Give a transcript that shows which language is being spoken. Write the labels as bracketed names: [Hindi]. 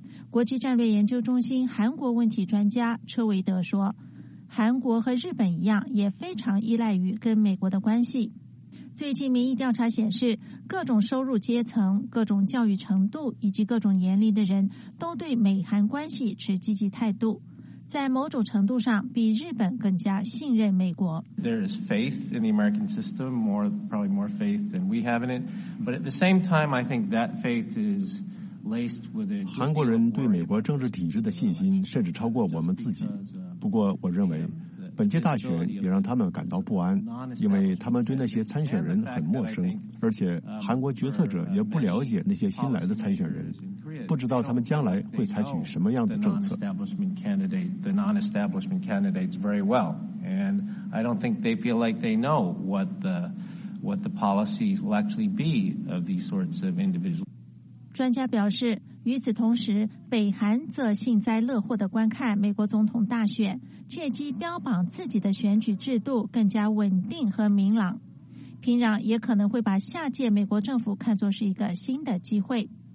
[Chinese] 国际战略研究中心韩国问题专家车维德说，韩国和日本一样也非常依赖于跟美国的关系。最近民意调查显示，各种收入阶层、各种教育程度以及各种年龄的人都对美韩关系持积极态度，在某种程度上比日本更加信任美国。 [English] There is faith in the American system, more probably more faith than we have in it. But at the same time, I think that faith is laced with a. [Chinese] 韩国人对美国政治体制的信心甚至超过我们自己。不过，我认为本届大选也让他们感到不安，因为他们对那些参选人很陌生，而且韩国决策者也不了解那些新来的参选人，不知道他们将来会采取什么样的政策。 [English] The non-establishment candidates very well, and I don't think they feel like they know what the what the policies will actually be of these sorts of individuals. [Chinese] 专家表示，与此同时，北韩则幸灾乐祸地观看美国总统大选，借机标榜自己的选举制度更加稳定和明朗。平壤也可能会把下届美国政府看作是一个新的机会。